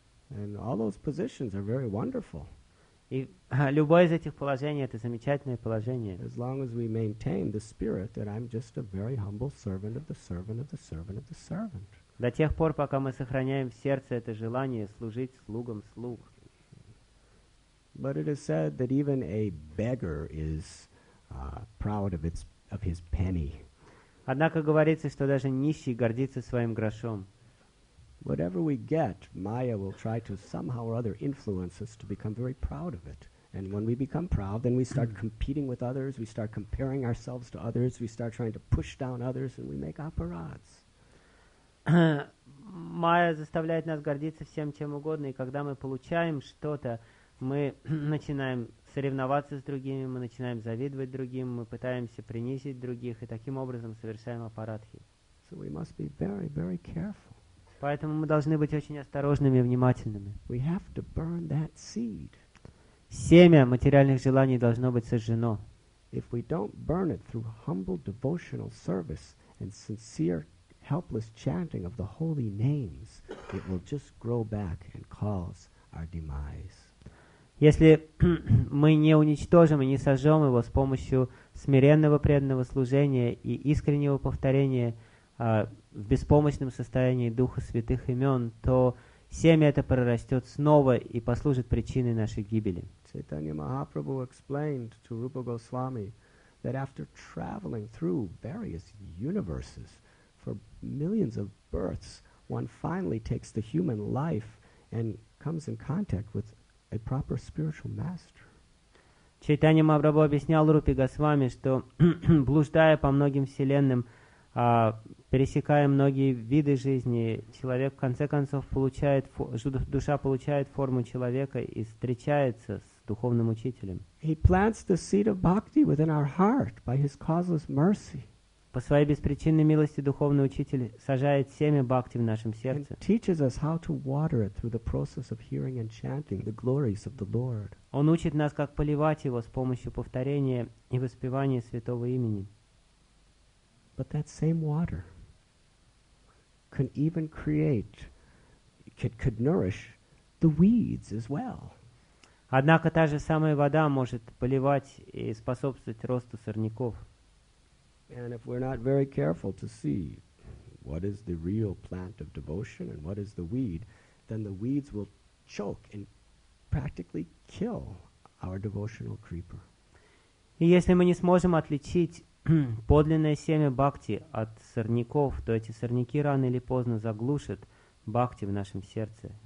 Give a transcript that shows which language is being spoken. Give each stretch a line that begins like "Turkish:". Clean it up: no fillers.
English: And all those positions are very wonderful.
Russian: И любое из этих положений — это замечательное положение.
English: As long as we maintain the spirit that I'm just a very humble servant of the servant of the servant of the servant.
Russian: До тех пор, пока мы сохраняем в сердце это желание служить слугам слуг.
English: But it is said that even a beggar is proud of its of his penny.
Russian: Однако говорится, что даже нищий гордится своим грошом.
English: Whatever we get, Maya will try to somehow or other influence us to become very proud of it. And when we become proud, then we start competing with others, we start comparing ourselves to others, we start trying to push down others, and we make apparads.
Russian: Maya заставляет нас гордиться всем, чем угодно, и когда мы получаем что-то, мы начинаем соревноваться с другими, мы начинаем завидовать другим, мы пытаемся принизить других, и таким образом совершаем апарадхи.
English: So we must be very, very careful.
Russian: Поэтому мы должны быть очень осторожными и внимательными.
English: We have to burn that seed.
Russian: Семя материальных желаний должно быть сожжено.
English: If we don't burn it through humble devotional service and sincere, helpless chanting of the holy names, it will just grow back and cause our demise.
Russian: Если мы не уничтожим и не сожжем его с помощью смиренного преданного служения и искреннего повторения в беспомощном состоянии Духа Святых имен, то семя это прорастет снова и послужит причиной нашей гибели.
English: Чайтанья Махапрабху explained to Rupa Goswami that after traveling through various universes for millions of births, one finally takes the human life and comes in contact with a proper spiritual master.
Russian: Чайтанья Махапрабху объяснял Рупе Госвами, что блуждая по многим вселенным, пересекая многие виды жизни, человек в конце концов получает душа получает форму человека и встречается с духовным учителем.
English: He plants the seed of bhakti within our heart by his causeless mercy.
Russian: По своей беспричинной милости духовный учитель сажает семя бхакти в нашем сердце.
English: And teaches us how to water it through the process of hearing and chanting the glories of the Lord.
Russian: Он учит нас, как поливать его с помощью повторения и воспевания святого имени.
English: But that same water can even create, could nourish the weeds as well.
Russian: Однако та же самая вода может поливать и способствовать росту сорняков.
English: And if we're not very careful to see what is the real plant of devotion and what is the weed, then the weeds will choke and practically kill our devotional creeper.
Russian: И если мы не сможем отличить подлинное семя бхакти от сорняков, то эти сорняки рано или поздно заглушат бхакти в нашем сердце.